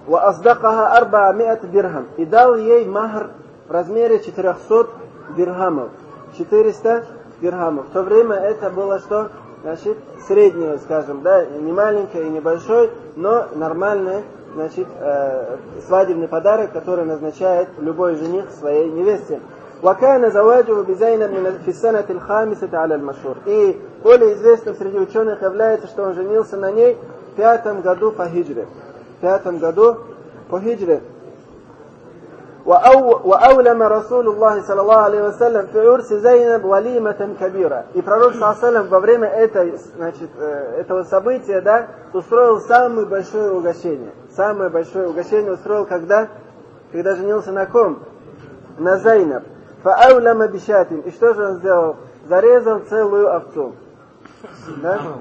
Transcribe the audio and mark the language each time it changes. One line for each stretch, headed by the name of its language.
Arabic: Ва асдакаха арба миат дирхам.
Russian: И дал ей махр в размере 400 дирхамов. 400 дирхамов. В то время это было что? Значит, среднее, скажем, да, не маленькое и не большое, но нормальное, значит, свадебный подарок, который назначает любой жених своей невесте.
Arabic: وكان زواجه بزينب من في السنة الخامسة على المشهور.
Russian: И более известным среди ученых является, что он женился на ней в 5-м году по хиджре. В 5-м году по хиджре.
Arabic: وأولم رسول الله صلى الله عليه وسلم في عرس زينب وليمة كبيرة.
Russian: И пророк صلى الله عليه وسلم во время этой, значит, этого события, да, устроил самое большое угощение. Самое большое угощение устроил когда? Когда женился на ком? На Зайнаб.
Arabic: فأولم بشات.
Russian: И что же он сделал? Зарезал целую овцу. Да?